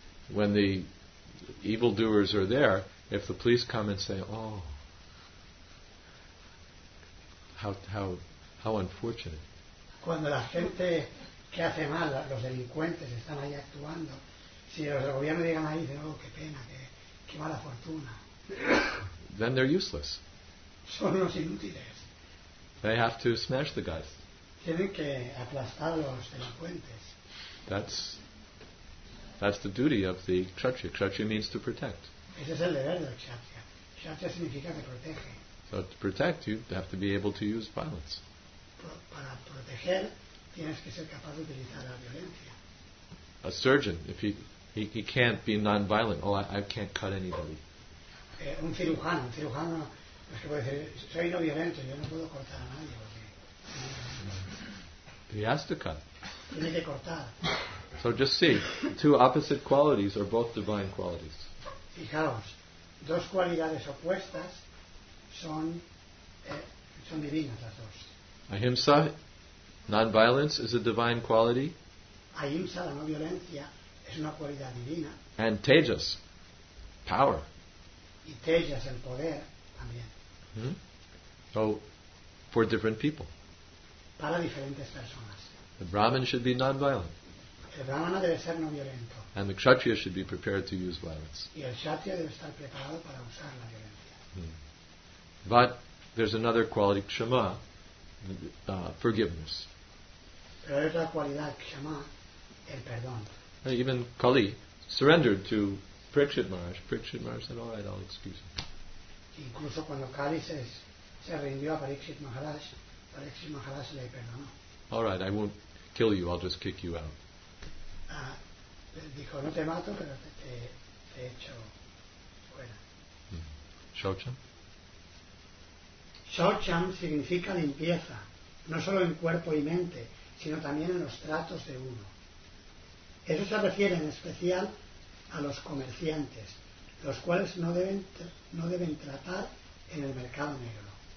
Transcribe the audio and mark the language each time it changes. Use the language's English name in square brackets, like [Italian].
[English] When the evildoers are there, if the police come and say, "Oh, how unfortunate." [Spanish] Cuando la gente que hace mal, los delincuentes están ahí actuando, si los del gobierno llegan ahí, dicen, "Oh, qué pena, qué mala fortuna." [English] Then they're useless. [Spanish] Son los inútiles. [English] They have to smash the guys. [Spanish] Tienen que aplastar a los delincuentes. [English] That's the duty of the kshatriya. Kshatriya means to protect. [Spanish] Ese es el deber del kshatriya. Kshatriya significa que protege. [English] So to protect, you have to be able to use violence. [Spanish] Para proteger, tienes que ser capaz de utilizar la violencia. [English] A surgeon, if he can't be non-violent, I can't cut anybody. [Spanish] Un cirujano, es que puede decir, soy no violento, yo no puedo cortar a nadie. [English] He has to cut. [Spanish] Tiene que cortar. [English] So just see, two opposite qualities are both divine qualities. [Spanish] Fijaos, dos cualidades opuestas son divinas las dos. [English] Ahimsa, non-violence, is a divine quality. [Spanish] Ahimsa, la no violencia, es una cualidad divina. [English] And tejas, power. [Spanish] Y tejas, el poder, también. Mm-hmm. [English] So, for different people. [Spanish] Para diferentes personas. [English] The Brahmin should be non-violent. [Spanish] El Brahmana debe ser no violento. [English] And the Kshatriya should be prepared to use violence. [Spanish] Y el Kshatriya debe estar preparado para usar la violencia. Hmm. [English] But there's another quality, Kshama, forgiveness. [Spanish] Pero hay otra cualidad, Kshama, el perdón. [English] And even Kali surrendered to Parikshit Maharaj. Parikshit Maharaj said, "All right, I'll excuse him." [Spanish] Incluso cuando Kali se rindió a Parikshit Maharaj, Parikshit Maharaj le perdonó. [English] "All right, I won't kill you, I'll just kick you out." [Spanish] Dijo, "No te mato, pero te echo fuera." [Sanskrit] Shocham? [Spanish] Shocham significa limpieza, no solo en cuerpo y mente, sino también en los tratos de uno. Eso se refiere en especial a los comerciantes, los cuales no deben tratar en el mercado negro.